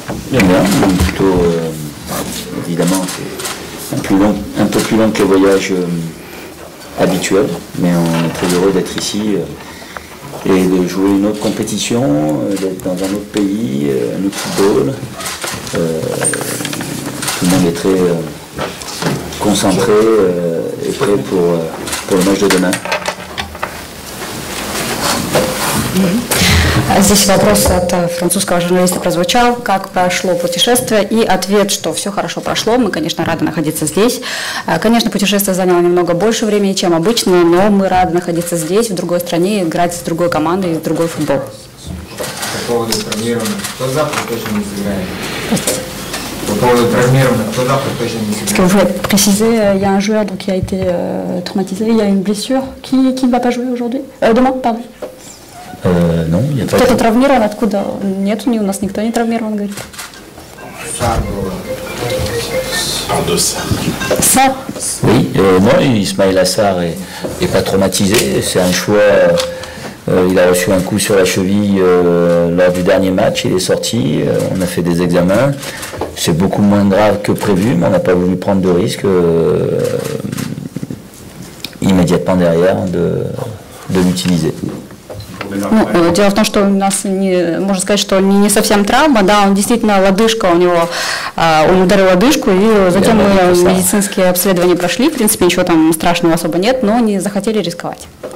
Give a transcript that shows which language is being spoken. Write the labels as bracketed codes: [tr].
[fr] Bien, plutôt, évidemment, c'est un peu plus long que le voyage habituel, mais on est très heureux d'être ici et de jouer une autre compétition, d'être dans un autre pays, un autre football. Tout le monde est très concentré et prêt pour le match de demain. [ru] Здесь вопрос от французского журналиста прозвучал, как прошло путешествие, и ответ, что все хорошо прошло, мы, конечно, рады находиться здесь. Конечно, путешествие заняло немного больше времени, чем обычно, но мы рады находиться здесь, в другой стране, играть с другой командой, с другой футбол. По поводу травмированных, кто завтра точно не сыграет? По поводу травмированных, кто завтра точно не сыграет? [fr] Parce que vous voulez préciser, il y a un joueur donc, qui a été traumatisé, il y a une blessure, qui ne va pas jouer aujourd'hui? Demain, pardon. Non, il n'y a pas. [ru] Кто-то травмирован, откуда? Нет, у нас никто не травмирован, говорит. [fr] Assar. Oui, non, Ismaïl Assar n'est pas traumatisé. C'est un choix. Il a reçu un coup sur la cheville lors du dernier match. Il est sorti. On a fait des examens. C'est beaucoup moins grave que prévu, mais on n'a pas voulu prendre de risque immédiatement derrière de l'utiliser. [ru] Ну, дело в том, что у нас, можно сказать, что не совсем травма, да, он действительно, лодыжка у него, он ударил лодыжку, и затем мы медицинские обследования прошли, в принципе, ничего там страшного особо нет, но не захотели рисковать.